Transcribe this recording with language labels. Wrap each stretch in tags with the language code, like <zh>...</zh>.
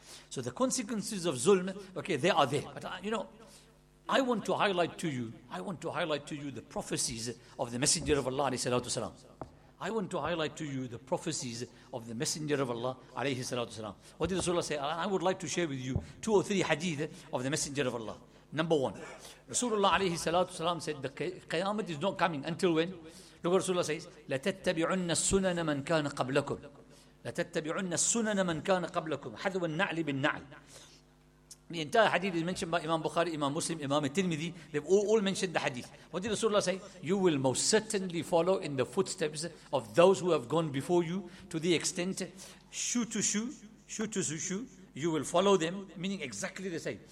<en>So the consequences of zulm, okay, they are there. But you know, I want to highlight to you the prophecies of the Messenger of Allah, alayhi salatu wasalam. I want to highlight to you the prophecies of the Messenger of Allah, alayhi salatu wasalam. What did Rasulullah say? I would like to share with you two or three hadith of the Messenger of Allah. Number one, Rasulullah, alayhi salatu wasalam, said the Qiyamah is not coming until when? Look what Rasulullah says,</en> <ar>لَتَتَّبِعُنَّ السُّنَنَ مَنْ كَانَ قَبْلَكُمْ لَتَتَّبِعُنَّ السُّنَنَ مَنْ كَانَ قَبْلَكُمْ حَذْوَ النَّعْلِ بِالنَّعْلِ.</ar> <en>The entire hadith is mentioned by Imam Bukhari, Imam Muslim, Imam Tirmidhi. They've all mentioned the hadith. What did Rasulullah say? You will most certainly follow in the footsteps of those who have gone before you to the extent, shoe to shoe, you will follow them, meaning exactly the same.</en>